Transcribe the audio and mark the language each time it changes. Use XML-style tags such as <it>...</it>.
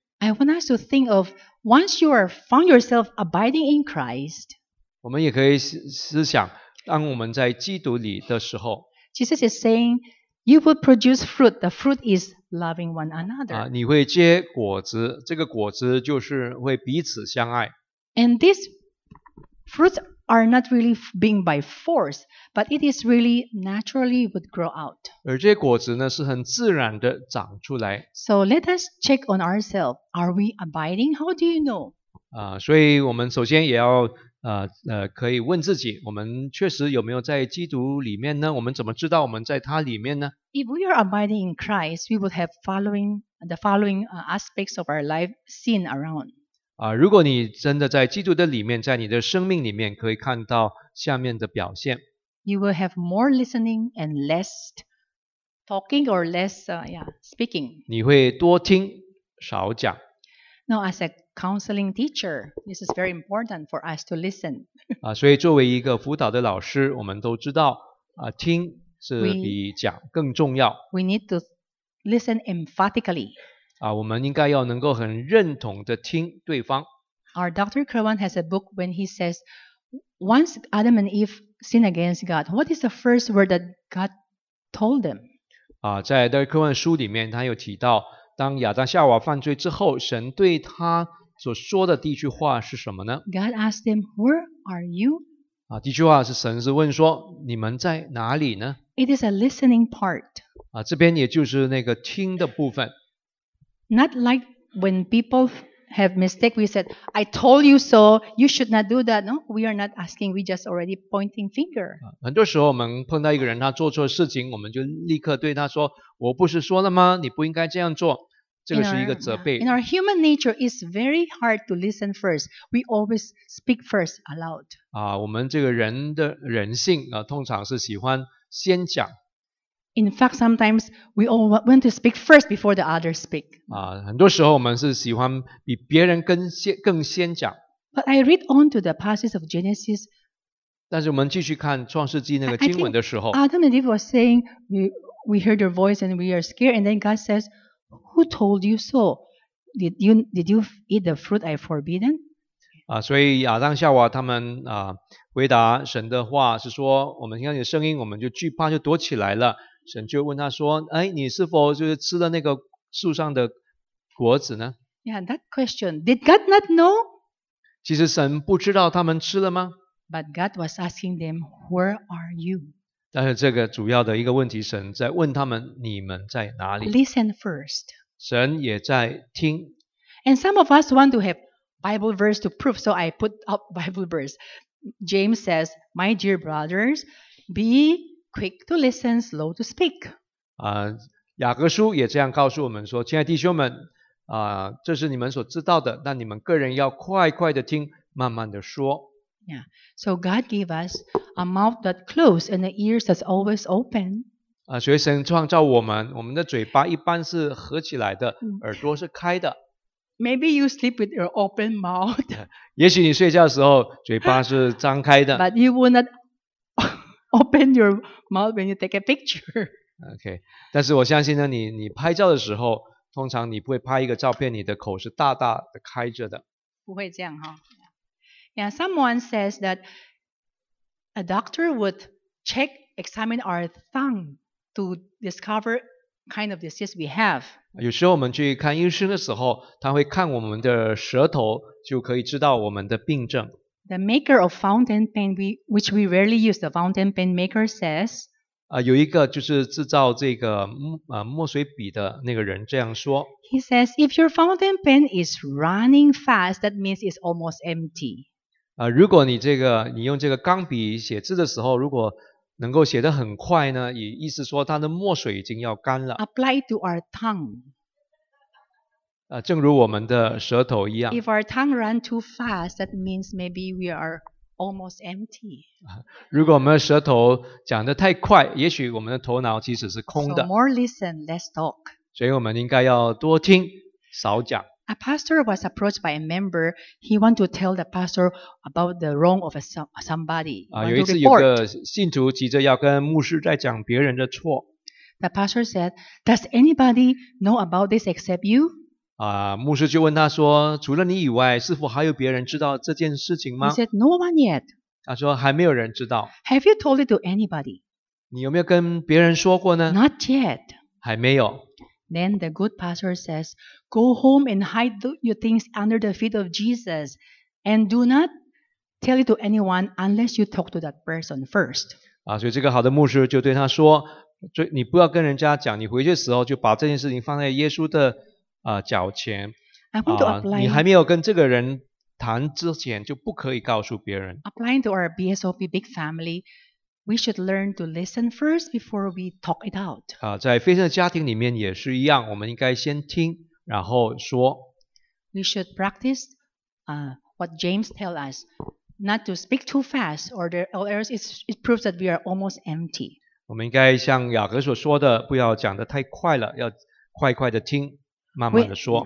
<en>I want us to think of once you are found yourself abiding in Christ.</en> <zh>我们也可以思想，当我们在基督里的时候</zh> <en>，Jesus is saying, You would produce fruit. The fruit is loving one another.</en> <zh>你会结果子，这个果子就是会彼此相爱。</zh> <en>And these fruits are not really being by force, but it is really naturally would grow out.</en> <zh>而这些果子呢，是很自然的长出来。</zh> <en>So let us check on ourselves. Are we abiding? How do you know?</en> <zh>所以我们首先也要可以问自己，我们确实有没有在基督里面呢？我们怎么知道我们在他里面呢？</zh> <en>If we are abiding in Christ, we would have following the following aspects of our life seen around.</en> <zh>如果你真的在基督的里面，在你的生命里面，可以看到下面的表现。</zh> <en>You will have more listening and less talking or less speaking.</en> <zh>你会多听少讲。</zh> <en>Now, as a counseling teacher, this is very important for us to listen.</en> <zh>所以作为一个辅导的老师，我们都知道听是比讲更重要。</zh> <en>We need to listen emphatically.</en> <zh>我们应该要能够很认同的听对方。</zh> <en>Our Dr. Kirwan has a book when he says, once Adam and Eve sinned against God, what is the first word that God told them?</en> <zh>在 Dr. Kirwan 书里面，他有提到。当亚当夏娃犯罪之后，神对他所说的第一句话是什么呢？</zh> <en>God asked them, "Where are you?"</en> <zh>第一句话是神是问说，你们在哪里呢？</zh> <en>It is a listening part.</en> <zh>这边也就是那个听的部分。</zh> <en>Not like when people have mistake, we said, "I told you so. You should not do that." No, we are not asking. We just already pointing finger.</en> <zh>很多时候我们碰到一个人，他做错事情，我们就立刻对他说。我不是说了吗？你不应该这样做，这个是一个责备。</zh> <en>In our human nature, it's very hard to listen first. We always speak first aloud.</en> <zh>我们这个人的人性通常是喜欢先讲。</zh> <en>In fact, sometimes we all want to speak first before the others speak.</en> <zh>很多时候我们是喜欢比别人更先讲。</zh> <en>But I read on to the passage of Genesis.</en> <zh>但是我们继续看创世纪那个经文的时候</zh> <en>，Adam and Eve was saying We heard your voice and we are scared. And then God says, "Who told you so? Did you eat the fruit I forbidden?"</en> <zh>所以亚当夏娃他们回答神的话是说，我们听到你的声音，我们就惧怕，就躲起来了。神就问他说，哎，你是否就是吃了那个树上的果子呢？</zh> <en>Yeah, that question. Did God not know?</en> <zh>其实神不知道他们吃了吗？</zh> <en>But God was asking them, "Where are you?"</en> <zh>但是这个主要的一个问题，神在问他们：你们在哪里</zh> <en>？Listen first.</en> <zh>神也在听。</zh> <en>And some of us want to have Bible verse to prove, so I put up Bible verse. James says, "My dear brothers, be quick to listen, slow to speak."</en> <zh>雅各书也这样告诉我们说：“亲爱弟兄们，这是你们所知道的，但你们个人要快快的听，慢慢的说。”</zh> <en>Yeah. So God gave us. A mouth that closed and the ears that's always open.</en> <zh>所以神创造我们，我们的嘴巴一般是合起来的，耳朵是开的。</zh> <en>Maybe you sleep with your open mouth.</en> <zh>也许你睡觉的时候嘴巴是张开的。</zh> <en>But you would not open your mouth when you take a picture. Okay.</en> <zh>但是我相信呢，你拍照的时候，通常你不会拍一个照片，你的口是大大的开着的。不会这样哈。</zh> <en>Yeah. Someone says that. A doctor would check, examine our tongue to discover kind of disease we have.</en> <zh>有时候我们去看医生的时候，他会看我们的舌头，就可以知道我们的病症。</zh> <en>The maker of fountain pen, which we rarely use, the fountain pen maker says.</en> <zh>有一个就是制造这个墨水笔的那个人这样说。</zh> <en>He says, if your fountain pen is running fast, that means it's almost empty.</en> <zh>如果你这个你用这个钢笔写字的时候，如果能够写得很快呢，也意思说它的墨水已经要干了。</zh> <en>Apply to our tongue.</en> <zh>正如我们的舌头一样。</zh> <en>If our tongue run too fast, that means maybe we are almost empty.</en> <zh>如果我们的舌头讲得太快，也许我们的头脑其实是空的。</zh> <en>So more listen, less talk.</en> <zh>所以我们应该要多听，少讲。</zh> <en>A pastor was approached by a member. He wanted to tell the pastor about the wrong of somebody.</en> <zh>有一次有个信徒急着要跟牧师在讲别人的错。</zh> <en>The pastor said, "Does anybody know about this except you?"</en> <zh>牧师就问他说，除了你以外，是否还有别人知道这件事情吗？</zh> <en>He said, "No one yet."</en> <zh>他说还没有人知道。</zh> <en>Have you told it to anybody?</en> <zh>你有没有跟别人说过呢?</zh> <en>Not yet.</en> <zh>还没有。</zh> <en>Then the good pastor says, go home and hide your things under the feet of Jesus and do not tell it to anyone unless you talk to that person first.</en> <zh>啊，所以这个好的牧师就对他说，你不要跟人家讲，你回去的时候就把这件事情放在耶稣的脚前。</zh> <en>I want to apply.</en> <zh>你还没有跟这个人谈之前就不可以告诉别人。</zh> <en>Applying to our BSOP big family, we should learn to listen first before we talk it out.</en> <zh>在非圣的家庭里面也是一样，我们应该先听，然后说。</zh> <en>We should practice, what James tells us, not to speak too fast, or else it proves that we are almost empty.</en> <zh>我们应该像雅各所说的，不要讲得太快了，要快快的听，慢慢的说。</zh>